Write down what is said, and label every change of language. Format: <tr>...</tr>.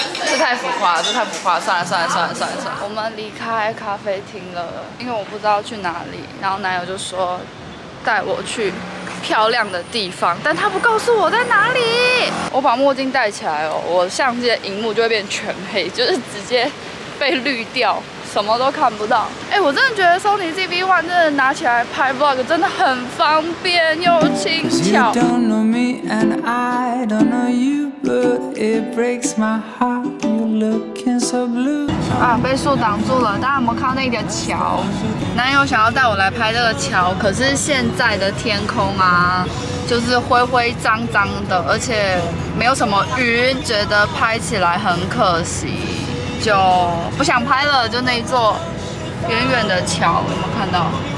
<zh>这太浮夸了，这太浮夸了，算了算了算了算了算了。我们离开咖啡厅了，因为我不知道去哪里，然后男友就说带我去漂亮的地方，但他不告诉我在哪里。我把墨镜戴起来哦，我相机的荧幕就会变全黑，就是直接被绿掉。什么都看不到。哎，我真的觉得 Sony ZV-1 真的拿起来拍 vlog 真的很方便又轻巧。</zh> <en>You don't know me and I don't know you, but it breaks my heart. You're looking so blue.</en> <zh>啊，被树挡住了。大家有没有看到那个桥？男友想要带我来拍这个桥，可是现在的天空啊，就是灰灰脏脏的，而且没有什么云，觉得拍起来很可惜。就不想拍了，就那一座远远的桥，有没有看到？</zh>